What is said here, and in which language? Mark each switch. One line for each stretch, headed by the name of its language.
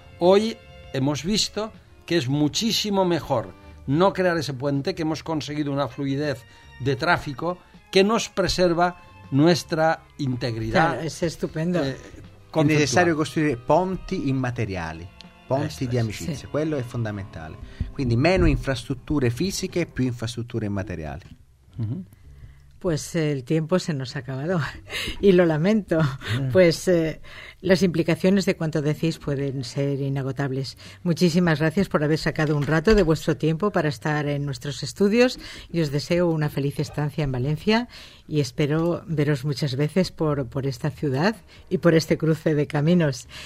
Spanish: Hoy hemos visto que es muchísimo mejor no crear ese puente, que hemos conseguido una fluidez de tráfico que nos preserva nuestra integridad. Claro, es estupendo. Es necesario construir ponti inmateriali.
Italian: Ponti di amicizia, sì. Quello è fondamentale. Quindi meno infrastrutture fisiche, più infrastrutture materiali.
Spanish: Pues el tiempo se nos ha acabado y lo lamento. Pues las implicaciones de cuanto decís pueden ser inagotables. Muchísimas gracias por haber sacado un rato de vuestro tiempo para estar en nuestros estudios y os deseo una feliz estancia en Valencia y espero veros muchas veces por esta ciudad y por este cruce de caminos.